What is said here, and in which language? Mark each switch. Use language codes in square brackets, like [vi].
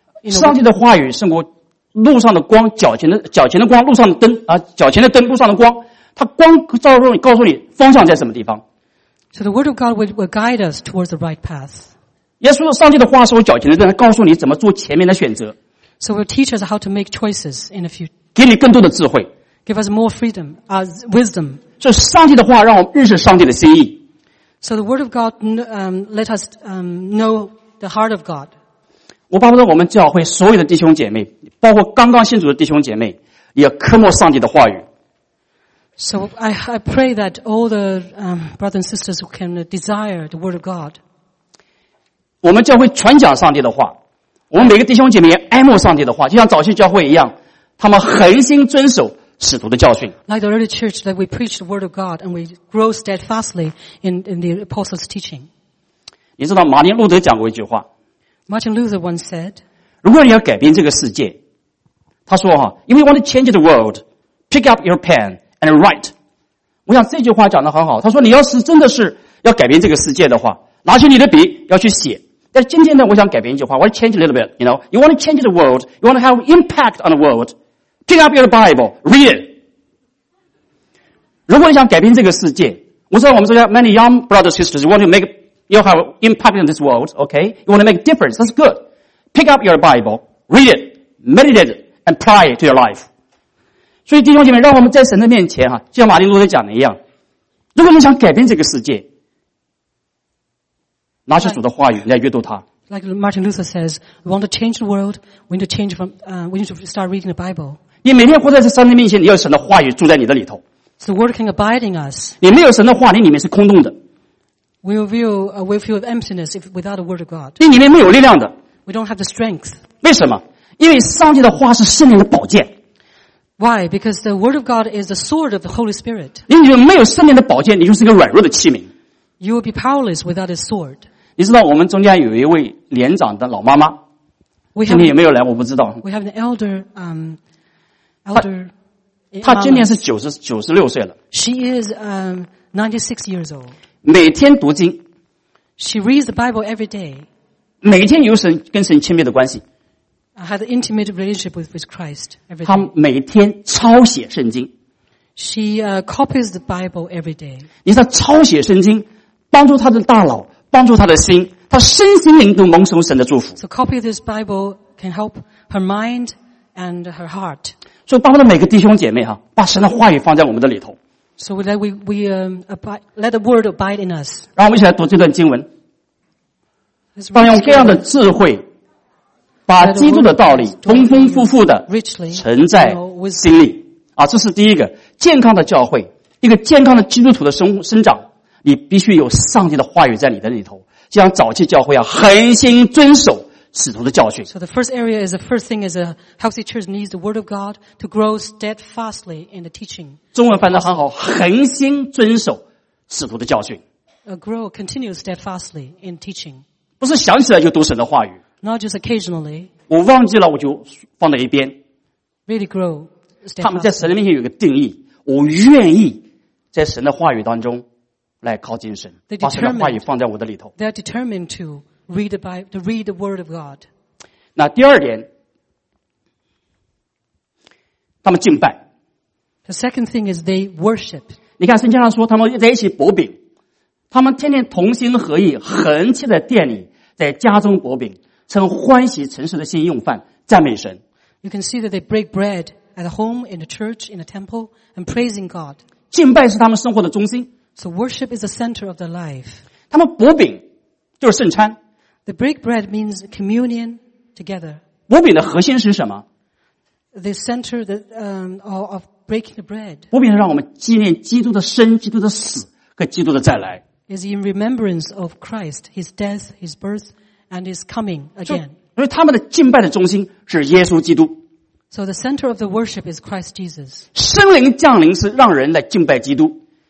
[zh] 上帝的话语胜过路上的光，脚前的光，路上的灯啊，脚前的灯，路上的光，它光照入你，告诉你方向在什么地方。 [en] So the word of God will guide us towards the right path. [zh] 耶稣说，上帝的话是我脚前的灯，告诉你怎么做前面的选择。 [en] So will teach us how to make choices in the future. [zh] 给你更多的智慧。 [en] Give us more freedom, wisdom. [zh] 所以上帝的话让我们认识上帝的心意。 [en] So the word of God, let us, know the heart of God. [zh] 我巴不得我们教会所有的弟兄姐妹，包括刚刚信主的弟兄姐妹，也要渴慕上帝的话语。 [en] So I pray that all the, brothers and sisters who can desire the word of God. [zh] 我们教会传讲上帝的话，我们每个弟兄姐妹也爱慕上帝的话，就像早期教会一样，他们恒心遵守使徒的教训。 [en] Like the early church that we preach the word of God and we grow steadfastly in the apostles' teaching. [zh] 你知道马丁路德讲过一句话。 [en] Martin Luther once said, [zh] 如果你要改变这个世界，他说哈 [en] ，If you want to change the world, pick up your pen and write. [zh] 我想这句话讲得很好。他说你要是真的是要改变这个世界的话，拿起你的笔要去写。但是今天呢，我想改变一句话 ， [en] I want to change a little bit. You know, you want to change the world, you want to have impact on the world. Pick up your Bible, read it. [zh] 如果你想改变这个世界，我知道我们说 [en] many young brothers and sisters want to make, you have impact in this world, okay? You want to make a difference, that's good. Pick up your Bible, read it, meditate, and apply it to your life. [zh] 所以弟兄姐妹，让我们在神的面前，就像马丁路德讲的一样，如果你想改变这个世界，拿起主的话语来阅读它。 [en] Like Martin Luther says, we want to change the world, we need to change from, we need to start reading the Bible. [zh] 你每天活在这上帝面前，你要有神的话语住在你的里头。 [en] So the word can abide in us. [zh] 你没有神的话，你里面是空洞的。 [en] We'll feel emptiness if without the word of God. [zh] 你里面没有力量的。 [en] We don't have the strength. [zh] 为什么？因为上帝的话是圣灵的宝剑。 [en] Why? Because the word of God is the sword of the Holy Spirit. [zh] 你里面没有圣灵的宝剑，你就是一个软弱的器皿。 [en] You will be powerless without a sword. [zh] 你知道我们中间有一位年长的老妈妈，今天有没有来？我不知道。 [en] We have an elder. [zh] 她今年是96岁了。 [en] She is 96 years old. [zh] 每天读经。 [en] She reads the Bible every day. [zh] 每天有神跟神亲密的关系。 [en] I had an intimate relationship with Christ every day. [zh] 她每天抄写圣经。 [en] She copies the Bible every day. [zh] 你说抄写圣经帮助她的大脑帮助她的心她身心灵都蒙受神的祝福。 [en] So copy this Bible can help her mind and her heart. [zh] 所以帮助的每个弟兄姐妹把神的话语放在我们的里头。 [en] So let the word abide in us. [zh] 让我们一起来读这段经文。当用各样的智慧把基督的道理丰丰富富的存在心里。啊，这是第一个。健康的教会，一个健康的基督徒的生长，你必须有上帝的话语在你的里头。就像早期教会要恒心遵守使徒的教训。 [en] So the first area is the first thing is a healthy church needs the word of God to grow steadfastly in the teaching. [zh] 中文翻得很好，恒心遵守使徒的教训。 [en] Grow continue steadfastly in teaching. [zh] 不是想起来就读神的话语。 [en] Not just occasionally. [zh] 我忘记了我就放在一边。 [en] Really grow. [zh] 他们在神的面前有一个定义，我愿意在神的话语当中来靠近神，把神的话语放在我的里头。 [en] They are determined to read the Bible, to read the Word of God. [zh] 那第二点，他们敬拜。 [en] The second thing is they worship. [zh] 你看圣经上说，他们在一起擘饼，他们天天同心合意，恒切在店里，在家中擘饼，称欢喜诚实的心用饭，赞美神。 [en] You can see that they break bread. At home, in the church, in the temple, and praising God. [zh] 敬拜是他们生活的中心。 [en] So worship is the center of their life. [zh] 他们擘饼就是圣餐。 [en] The break bread means communion together. [zh] 擘饼的核心是什么？ [en] The center of breaking the bread. [zh] 擘饼让我们纪念基督的生、基督的死和基督的再来。 [en] Is in remembrance of Christ, His death, His birth, and His coming again. [zh] 因为他们的敬拜的中心是耶稣基督。 [en] So the center of the worship is Christ Jesus. [zh] 圣灵降临是让人来敬拜基督。